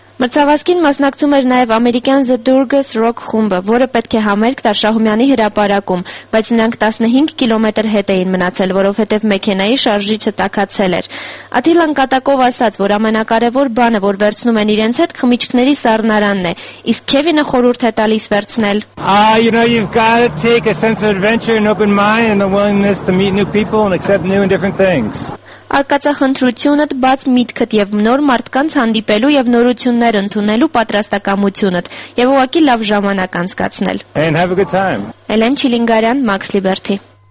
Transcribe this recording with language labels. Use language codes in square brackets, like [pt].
[hy] Մրցավազքին մասնակցում էր նաև ամերիկյան The Durgus Rock խումբը, որը պետք է համերգ տար Շահումյանի հրապարակում, բայց նրանք 15 կիլոմետր հետ էին մնացել, որովհետև մեքենայի շարժիչը տակացել էր։ Աթիլան կատակով ասաց, որ ամենակարևոր բանը, որ վերցնում են իրենց հետ, խմիչքների սառնարանն է, իսկ Քևինը խորհուրդ է տալիս վերցնել. [en] You know, you've got to take a sense of adventure and open mind and the willingness to meet new people and accept new and different things. [hy] Արկածախնդրությունդ, բաց միտքդ եւ նոր մարդկանց հանդիպելու եւ նորություններ ընդունելու պատրաստակամությունդ եւ ուղակի լավ ժամանակ անցկացնել։ [en] And have a good time. [hy] Էլեն Չիլինգարյան, Max Liberty.